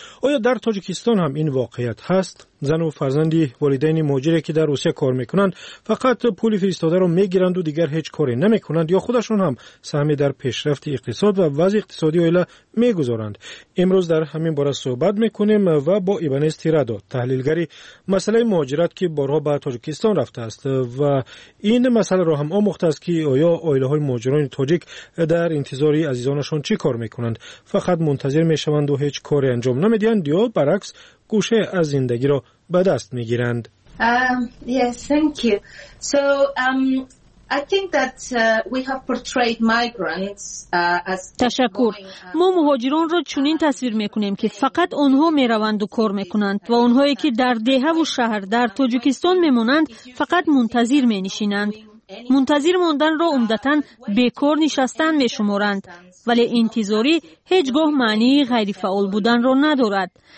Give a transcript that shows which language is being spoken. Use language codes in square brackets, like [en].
[fa] آیا در تاجیکستان هم این واقعیت هست؟ زن و فرزندی والدین مهاجری که در روسیه کار میکنند فقط پول فرستاده را میگیرند و دیگر هیچ کاری نمیکنند یا خودشون هم سهمی در پیشرفت اقتصاد و وضع اقتصادی آیله میگذارند؟ امروز در همین باره صحبت میکنیم و با ایبنس تیرادو، تحلیلگری مسئله مهاجرت که بارها به تاجیکستان رفته است و این مسئله را هم آموخته است که آیا آیله های مهاجران تاجیک در انتظار عزیزانشان چی کار میکنند؟ فقط منتظر میشوند و هیچ کاری انجام نمیدهند یا برعکس گوشه از زندگی را به دست می گیرند؟ [en] Yes, thank you. So, I think that we have portrayed migrants as [fa] تشکر. ما مهاجران را چنین تصویر میکنیم که فقط آنها میروند و کار میکنند و آنهایی که در دهه و شهر در تاجیکستان میمانند فقط منتظر مینشینند. منتظر ماندن را عمدتاً بیکار نشستن میشمارند. ولی انتظاری هیچگاه معنی غیر فعال بودن را ندارد.